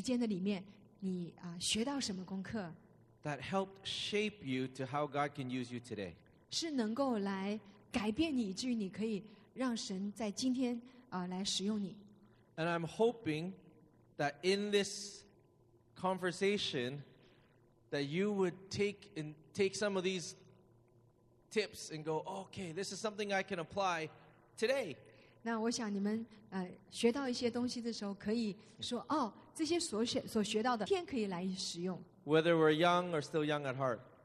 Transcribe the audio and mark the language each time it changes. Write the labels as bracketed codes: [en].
[zh] 那我想问的问题就是，你在你的青少年这个时间的里面，你学到什么功课？ [en] That helped shape you to how God can use you today. [zh] 是能够来改变你，至于你可以让神在今天来使用你。 [en] And I'm hoping that in this conversation that you would take some of these tips and go, okay, this is something I can apply today. [zh] 那我想你们学到一些东西的时候，可以说哦，这些所学到的，天可以来使用。 [en] Whether we're young or still young at heart.